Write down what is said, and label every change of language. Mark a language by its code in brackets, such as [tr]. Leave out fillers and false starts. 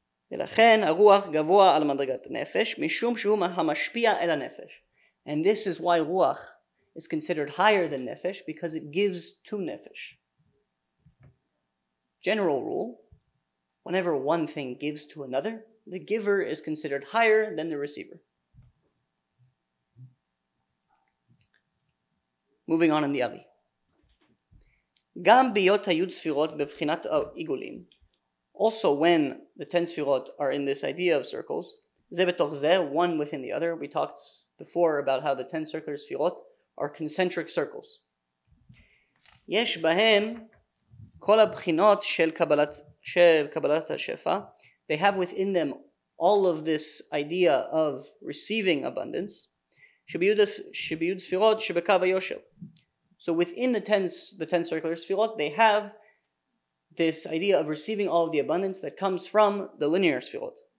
[he] ולכן הרוח גבוה על מדרגת הנפש, משום שהוא המשפיע אל הנפש. [en] And this is why רוח is considered higher than nefesh, because it gives to nefesh. General rule, whenever one thing gives to another, the giver is considered higher than the receiver. Moving on in the Avi. [he] גם ביות היוד ספירות בבחינת עיגולים. [en] Also when the 10 ספירות are in this idea of circles, [he] זה בתוך זה, [en] one within the other. We talked before about how the 10 circular ספירות are concentric circles. [he] יש בהם כל הבחינות של קבלת השפע. [en] They have within them all of this idea of receiving abundance, [he] shebiyud sefirot shebekav hayoshev. [en] So within the ten circular sefirot, they have this idea of receiving all of the abundance that comes from the linear sefirot.